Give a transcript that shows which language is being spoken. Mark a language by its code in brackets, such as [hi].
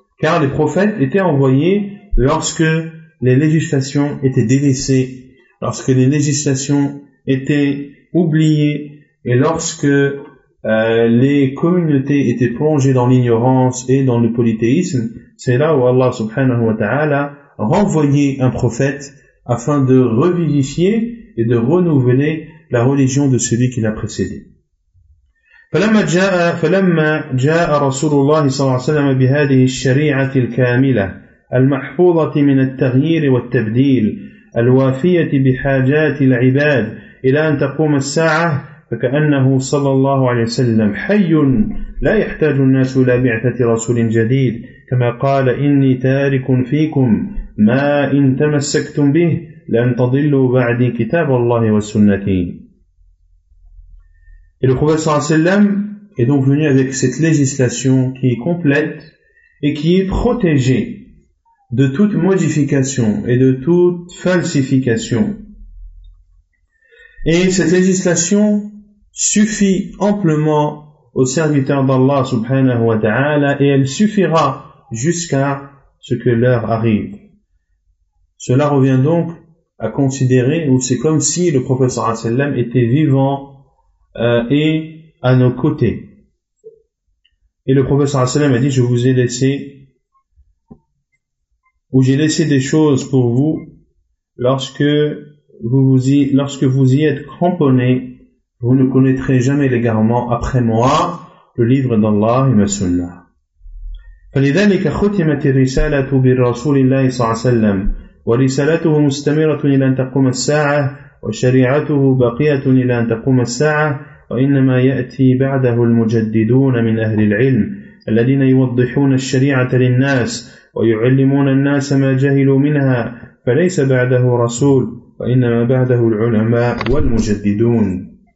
[fr] Car les prophètes étaient envoyés lorsque les législations étaient délaissées, lorsque les législations étaient oubliées, et lorsque les communautés étaient plongées dans l'ignorance et dans le polythéisme. C'est là où Allah subhanahu wa ta'ala renvoyait un prophète afin de revivifier et de renouveler la religion de celui qui l'a précédé. [ar] فلما جاء رسول الله صلى الله عليه وسلم بهذه الشريعة الكاملة المحفوظة من التغيير والتبديل الوافية بحاجات العباد إلى أن تقوم الساعة، فكأنه صلى الله عليه وسلم حي لا يحتاج الناس إلى بعثة رسول جديد، كما قال: إني تارك فيكم ما إن تمسكتم به لن تضلوا بعدي كتاب الله وسنتي. [fr] Et le prophète sallallahu alayhi wa sallam est donc venu avec cette législation qui est complète et qui est protégée de toute modification et de toute falsification. Et cette législation suffit amplement aux serviteurs d'Allah subhanahu wa ta'ala et elle suffira jusqu'à ce que l'heure arrive. Cela revient donc à considérer, ou c'est comme si le prophète sallallahu alayhi wa sallam était vivant et à nos côtés. Et le professeur Asselin m'a dit: je vous ai laissé, ou j'ai laissé des choses pour vous lorsque vous y êtes cramponné, vous ne connaîtrez jamais l'égarement après moi, le livre d'Allah et ma sunna. [ar] فلذلك ختمت الرسالة بالرسول الله صلى الله عليه وسلم ورسالته مستمرة إلى أن تقوم الساعة وشريعته باقية إلى أن تقوم الساعة وإنما يأتي بعده المجددون من أهل العلم الذين يوضحون الشريعة للناس ويعلمون الناس ما جهلوا منها، فليس بعده رسول وإنما بعده العلماء والمجددون،